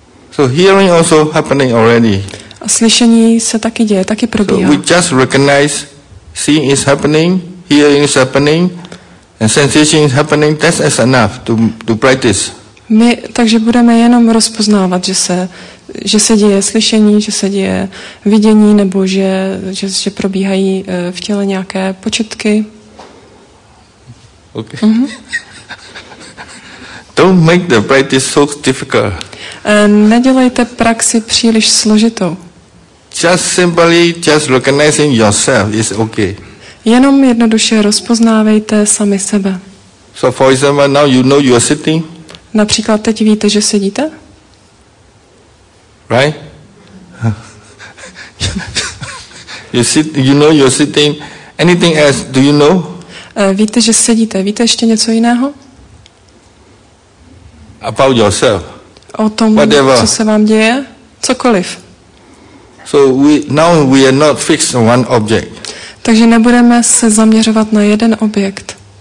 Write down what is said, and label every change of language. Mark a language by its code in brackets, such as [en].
[en] So hearing also happening already. [cs] A slyšení se taky děje, taky probíhá. [en] So we just recognize seeing is happening, hearing is happening, and sensation is happening, that's enough to practice. [cs] My takže budeme jenom rozpoznávat, že se, že se děje slyšení, že se děje vidění, nebo že probíhají v těle nějaké početky. [en] Okay. Mm-hmm. Don't make the practice so difficult. [cs] Nedělejte praxi příliš složitou. [en] Just simply, just recognizing yourself is okay. [cs] Jenom jednoduše rozpoznávejte sami sebe. [en] So for example, now you know you are sitting. [cs] Například teď víte, že sedíte? [en] Right? You sit, you know you are sitting. Anything else, do you know? [cs] Víte, že sedíte. Víte ještě něco jiného? [en] About yourself. [cs] O tom, [en] whatever, [cs] co se vám děje? Cokoliv. [en] So we, now we are not fixed on one object. [cs] Takže nebudeme se zaměřovat na jeden objekt.